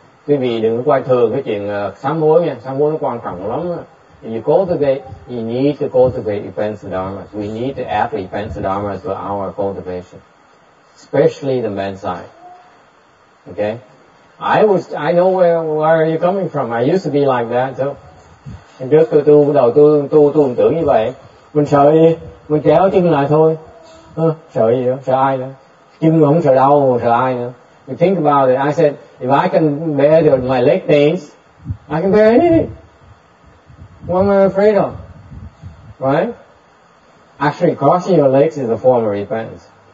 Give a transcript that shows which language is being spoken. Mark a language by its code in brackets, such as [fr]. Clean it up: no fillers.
[vi] Quý vị đừng có coi thường cái chuyện sám hối nha. Sám hối nó quan trọng lắm. [en] You need to cultivate repentance dharma. We need to add repentance dharma to our cultivation. Especially the men's side. Okay? I know where you're coming from. I used to be like that, so. [vi] Trước tôi bắt đầu tôi cũng tưởng như vậy. Mình sợ gì? Mình kéo chân lại thôi. Sợ gì đó? Sợ ai nữa? Chân mình không sợ đau, mình sợ ai nữa? [en] You think about it. I said, if I can bear my leg pains, I can bear anything. What am I afraid of? Right? Actually, crossing your legs is a form of repentance.